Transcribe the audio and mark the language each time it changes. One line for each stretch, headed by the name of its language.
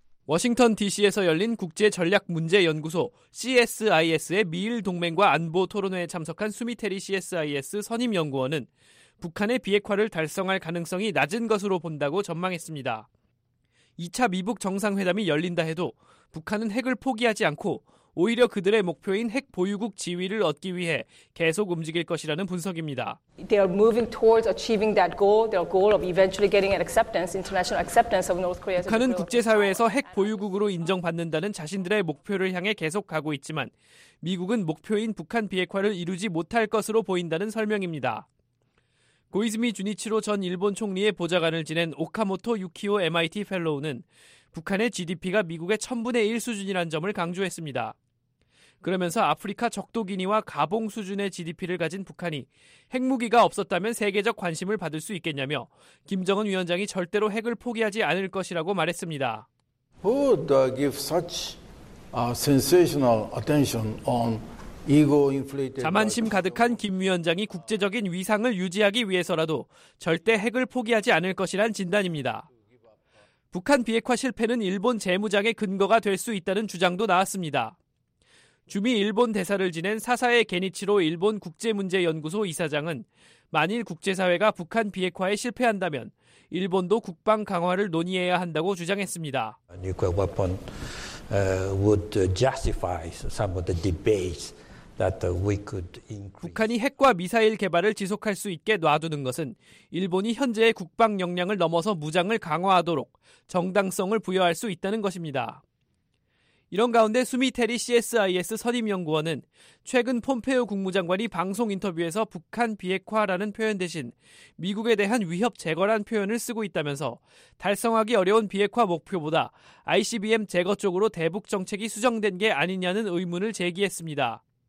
Korean: 워싱턴 DC에서 열린 국제전략문제연구소 CSIS의 미일동맹과 안보 토론회에 참석한 수미테리 CSIS 선임연구원은 북한의 비핵화를 달성할 가능성이 낮은 것으로 본다고 전망했습니다. 2차 미북 정상회담이 열린다 해도 북한은 핵을 포기하지 않고 오히려 그들의 목표인 핵 보유국 지위를 얻기 위해 계속 움직일 것이라는 분석입니다.
English: They are moving towards achieving that goal, their goal of eventually getting an acceptance, international acceptance of North Korea.
Korean: 북한은 국제사회에서 핵 보유국으로 인정받는다는 자신들의 목표를 향해 계속 가고 있지만 미국은 목표인 북한 비핵화를 이루지 못할 것으로 보인다는 설명입니다. 고이즈미 주니치로 전 일본 총리의 보좌관을 지낸 오카모토 유키오 MIT 펠로우는 북한의 GDP가 미국의 1000분의 1 수준이란 점을 강조했습니다. 그러면서 아프리카 적도기니와 가봉 수준의 GDP를 가진 북한이 핵무기가 없었다면 세계적 관심을 받을 수 있겠냐며 김정은 위원장이 절대로 핵을 포기하지 않을 것이라고 말했습니다.
English: Who would give such a sensational attention on
Korean: 자만심 가득한 김 위원장이 국제적인 위상을 유지하기 위해서라도 절대 핵을 포기하지 않을 것이란 진단입니다. 북한 비핵화 실패는 일본 재무장의 근거가 될 수 있다는 주장도 나왔습니다. 주미 일본 대사를 지낸 사사의 게니치로 일본 국제문제연구소 이사장은 만일 국제사회가 북한 비핵화에 실패한다면 일본도 국방 강화를 논의해야 한다고 주장했습니다.
English: Nuclear weapon would justify some of the debates that we could increase.
Korean: 북한이 핵과 미사일 개발을 지속할 수 있게 놔두는 것은 일본이 현재의 국방 역량을 넘어서 무장을 강화하도록 정당성을 부여할 수 있다는 것입니다. 이런 가운데 수미테리 CSIS 선임연구원은 최근 폼페이오 국무장관이 방송 인터뷰에서 북한 비핵화라는 표현 대신 미국에 대한 위협 제거란 표현을 쓰고 있다면서 달성하기 어려운 비핵화 목표보다 ICBM 제거 쪽으로 대북 정책이 수정된 게 아니냐는 의문을 제기했습니다.